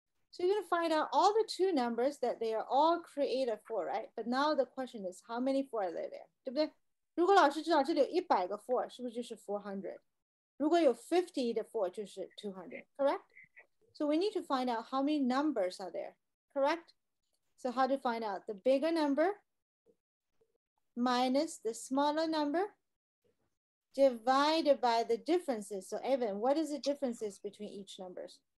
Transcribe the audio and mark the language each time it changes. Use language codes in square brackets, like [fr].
[en] So you're going to find out all the two numbers that they are all created for, right? But now the question is, how many 4 are there? [zh] 对不对？如果老师知道这里有100个 4, 是不是就是400？如果有50的 4, 就是200, correct? [en] So we need to find out how many numbers are there, correct? So how to find out the bigger number minus the smaller number divided by the differences. So Evan, what is the differences between each numbers?